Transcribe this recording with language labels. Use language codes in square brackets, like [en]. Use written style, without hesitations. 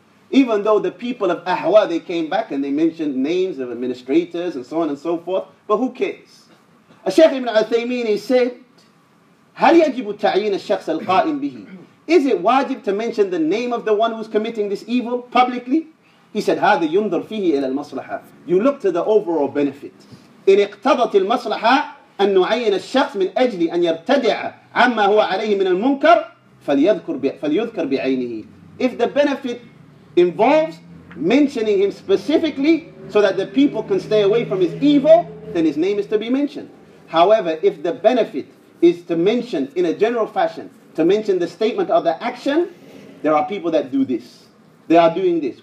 [en] Even though the people of Ahwa, they came back and they mentioned names of administrators and so on and so forth. But who cares? Al-Shaykh Ibn Uthaymeen, he said, [ar] هَلْ يَجِبُ تَعْيِينَ الشَّخْصَ الْقَائِمْ بِهِ [en] Is it wajib to mention the name of the one who's committing this evil publicly? He said, [ar] هَذَا يُنْظَرْ فِيهِ إِلَى الْمَصْلَحَةِ [en] You look to the overall benefit. [ar] إِنْ اِقْتَضَتِ الْمَصْلَحَةِ أن نعين الشخص من أجل أن يرتدع عما هو عليه من المنكر فليذكر بعينه. [en] If the benefit involves mentioning him specifically so that the people can stay away from his evil, then his name is to be mentioned. However, if the benefit is to mention in a general fashion, to mention the statement or the action, there are people that do this. They are doing this.